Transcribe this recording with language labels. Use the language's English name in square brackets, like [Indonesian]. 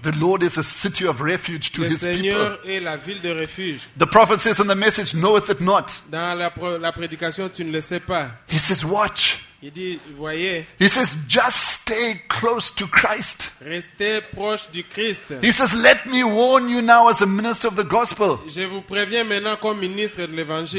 [English] The Lord is a city of refuge to [French] Le [English] His [French] Seigneur [English] people. [French] Est la ville de refuge. [English] The prophet says in the message, knoweth it not. [French] Dans la prédication, tu ne le sais pas. [English] He says, watch. [French] Il dit, voyez. [English] He says, just stay close to Christ. [French] Restez proche du Christ. [English] He says, let me warn you now as a minister of the gospel. [French] Je vous préviens maintenant comme ministre de l'évangile.